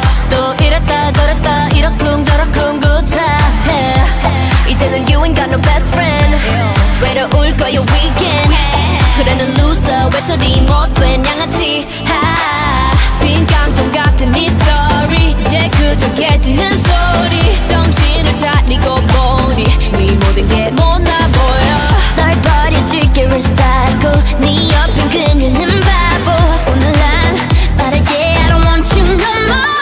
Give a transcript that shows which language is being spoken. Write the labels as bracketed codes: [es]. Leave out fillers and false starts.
[ko] 또 이랬다 저랬다 이러쿵저러쿵 구차해. [en] 이제는 you ain't got no best friend. [ko] 외로울 거야 weekend. 그래는 loser 외톨이 못된 양아치. 빈 깡통 같은 이 story, 이제 그저 깨지는 소리. 정신을 차리고 보니 네 모든 게 못나 보여. 널 버려줄게 recycle, 네 옆엔 그녀는 바보. 오늘은 빠르게 [en] I don't want you no more.